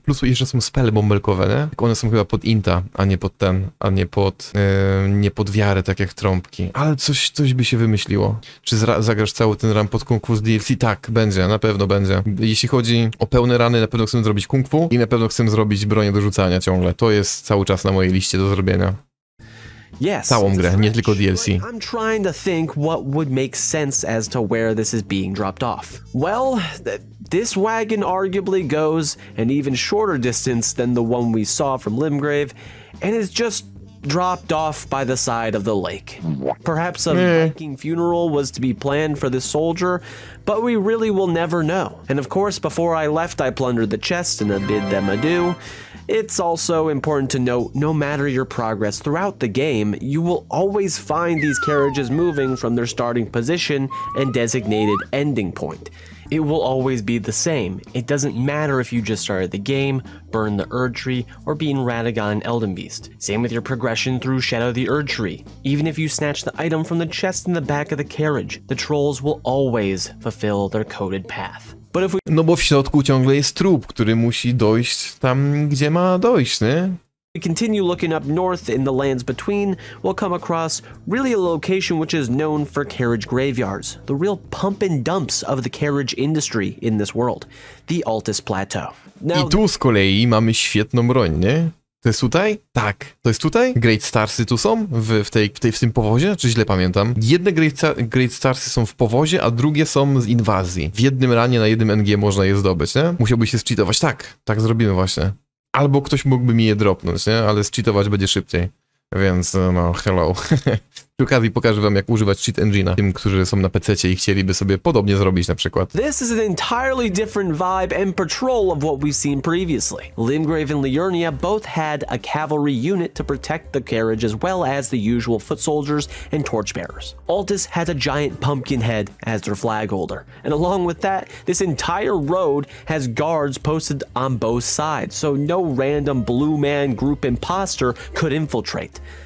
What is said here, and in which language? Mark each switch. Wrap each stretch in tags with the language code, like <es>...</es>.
<pl>Plus jeszcze są spele bąbelkowe, nie? Tylko one są chyba pod inta, a nie pod ten, a nie pod nie pod wiarę, tak jak trąbki. Ale coś by się wymyśliło. Czy zagrasz cały ten run pod kung fu z DLC? Tak, będzie, na pewno będzie. Jeśli chodzi o pełne rany, na pewno chcę zrobić kung fu i na pewno chcę zrobić broń do rzucania ciągle. To jest cały czas na mojej liście do zrobienia.</pl> <en>Yes,</en> <pl>całą grę, nie tylko DLC.</pl> <en>I'm trying to think what would make sense as to where this is being dropped off. Well, this wagon arguably goes an even shorter distance than the one we saw from Limgrave, and is just dropped off by the side of the lake. Perhaps a Viking funeral was to be planned for this soldier, but we really will never know. And of course, before I left, I plundered the chest and bid them adieu. It's also important to note, no matter your progress throughout the game, you will always find these carriages moving from their starting position and designated ending point. It will always be the same. It doesn't matter if you just started the game, burned the Erdtree, or beaten Radagon and Eldenbeast. Same with your progression through Shadow of the Erdtree. Even if you snatch the item from the chest in the back of the carriage, the trolls will always fulfill their coded path.</en> <pl>No bo w środku ciągle jest trup, który musi dojść tam, gdzie ma dojść, nie?</pl> <en>We continue looking up north in the lands between, we'll come across really a location which is known for carriage graveyards, the real pump and dumps of the carriage industry in this world, the Altus Plateau.</en> <pl>Now, i tu z kolei mamy świetną broń, nie? To jest tutaj? Tak. To jest tutaj? Great Starsy tu są? W tym powozie? Czy źle pamiętam? Jedne Great Starsy są w powozie, a drugie są z inwazji. W jednym ranie na jednym NG można je zdobyć, nie? Musiałby się scheatować. Tak, tak zrobimy właśnie. Albo ktoś mógłby mi je dropnąć, nie? Ale scheatować będzie szybciej. Więc, no, hello. Przy okazji pokażę wam, jak używać cheat engine'a tym, którzy są na PC-cie i chcieliby sobie podobnie zrobić, na przykład.</pl> <en>This is an entirely different vibe and patrol of what we've seen previously. Limgrave and Liurnia both had a cavalry unit to protect the carriage as well as the usual foot soldiers and torchbearers. Altus has a giant pumpkin head as their flag holder. And along with that, this entire road has guards posted on both sides, so no random blue man group imposter could infiltrate.</en>